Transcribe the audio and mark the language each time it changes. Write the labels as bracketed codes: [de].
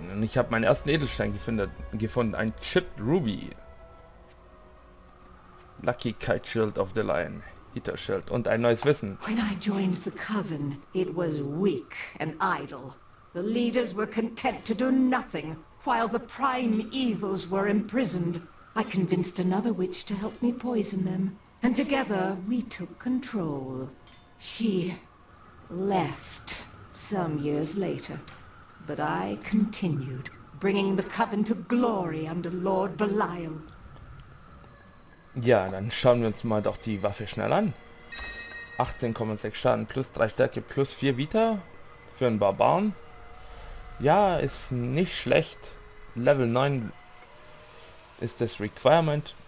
[de] Und ich habe meinen ersten Edelstein gefunden. Ein Chipped Ruby. Lucky Kite Shield of the Lion. Eater Shield. Und ein neues Wissen. [en] When I joined the coven, it was weak and idle. The leaders were content to do nothing. While the prime evils were imprisoned, I convinced another witch to help me poison them, and together we took control. She left some years later, but I continued, bringing the coven to glory under Lord Belial. [de] Ja, dann schauen wir uns mal doch die Waffe schnell an. 18,6 Schaden plus 3 Stärke plus 4 Vita für einen Barbaren. Ja, ist nicht schlecht. Level 9 ist das Requirement.